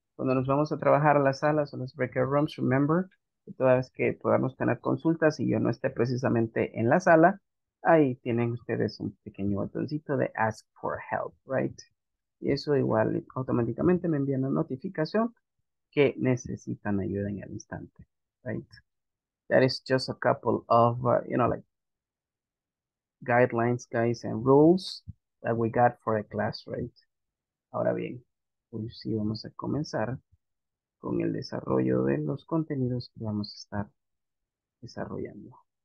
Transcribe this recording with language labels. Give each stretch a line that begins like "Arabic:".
Spanish: Cuando nos vamos a trabajar a las salas o los breakout rooms, remember que toda vez que podamos tener consultas y yo no esté precisamente en la sala, ahí tienen ustedes un pequeño botoncito de ask for help, right? Y eso igual automáticamente me envía una notificación que necesitan ayuda en el instante, right?
English: That is just a couple of, you know, like, guidelines, guys, and rules that we got for a class, right?
Spanish: Ahora bien, hoy sí vamos a comenzar con el desarrollo de los contenidos que vamos a estar desarrollando.